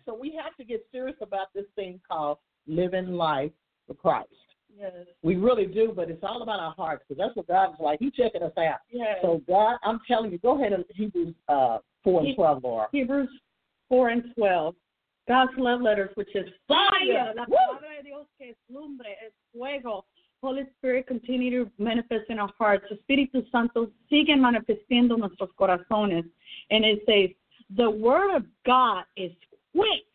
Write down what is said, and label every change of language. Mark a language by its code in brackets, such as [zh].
[en] So we have to get serious about this thing called living life for Christ. Yes. We really do, but it's all about our hearts, because that's what God is like. He's checking us out. Yes. So God, I'm telling you, go ahead and Hebrews 4 and 12, Laura. Hebrews 4 and 12. God's love letters, which is fire. Woo! [es] La palabra de Dios que es lumbre, es fuego. [en] Holy Spirit, continue to manifest in our hearts. [es] Espíritu Santo, sigue manifestando nuestros corazones. [en] And it says, the word of God is quick.